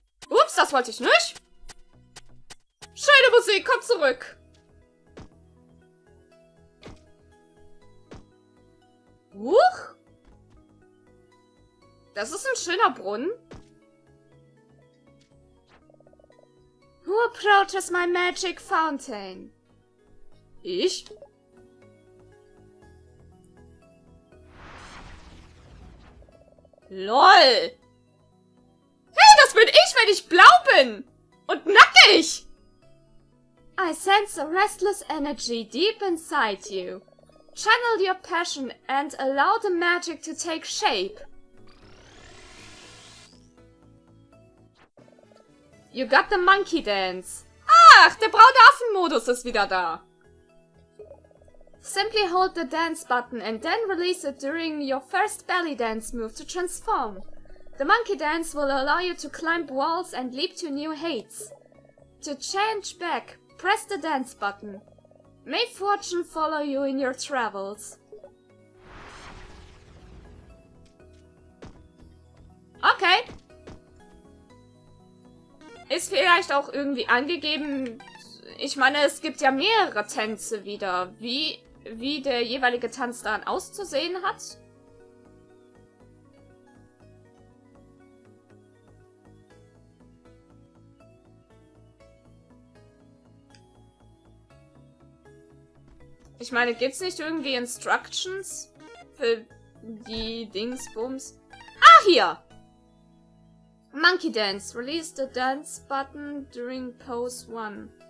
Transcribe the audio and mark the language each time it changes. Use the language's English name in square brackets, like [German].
[German] Ups, das wollte ich nicht. Schöne Musik, komm zurück. Huch! Das ist ein schöner Brunnen. [English] Who approaches my magic fountain? [German] Ich? [English] LOL! [German] Hey, das bin ich, wenn ich blau bin! Und nackig! [English] I sense a restless energy deep inside you. Channel your passion and allow the magic to take shape. You got the monkey dance. [German] Ach, der Braunaffen-Modus ist wieder da. [English] Simply hold the dance button and then release it during your first belly dance move to transform. The monkey dance will allow you to climb walls and leap to new heights. To change back, press the dance button. May fortune follow you in your travels. Okay. [German] Ist vielleicht auch irgendwie angegeben. Ich meine, es gibt ja mehrere Tänze wieder. Wie der jeweilige Tanz dann auszusehen hat. Ich meine, gibt's nicht irgendwie Instructions für die Dingsbums? Ah, hier! Monkey Dance. [English] Release the dance button during pose 1.